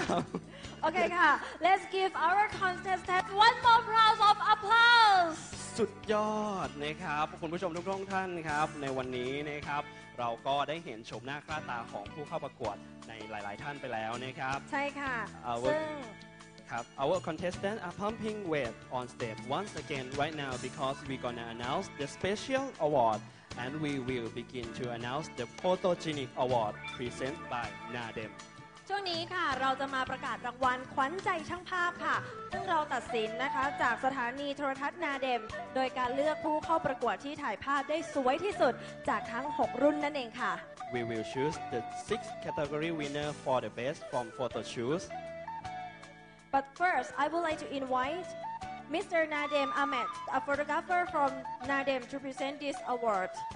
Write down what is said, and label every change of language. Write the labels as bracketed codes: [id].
[en] บโอเคค่ะ Let's give our contestant one more round of applause [th] สุดยอดนะครับคุณผู้ชมทุกท่านครับในวันนี้นะครับเราก็ได้เห็นชมหน้าค่าตาของผู้เข้าประกวดในหลายๆท่านไปแล้วนะครับ ใช่ค่ะซึ่ [en] งครับ our contestants are pumping weight on stage once again right now because we're gonna announce the special award and we will begin to announce the photogenic award presented by Nadem [th] ช่วงนี้ค่ะเราจะมาประกาศรางวัลขวัญใจช่างภาพค่ะซึ่งเราตัดสินนะคะจากสถานีโทรทัศน์ Nadem โดยการเลือกผู้เข้าประกวดที่ถ่ายภาพได้สวยที่สุดจากทั้ง6รุ่นนั่นเองค่ะ [en] We will choose the 6 category winner for the best from photo shoots But first, I would like to invite Mr. Nadem Ahmed, a photographer from Nadem, to present this award.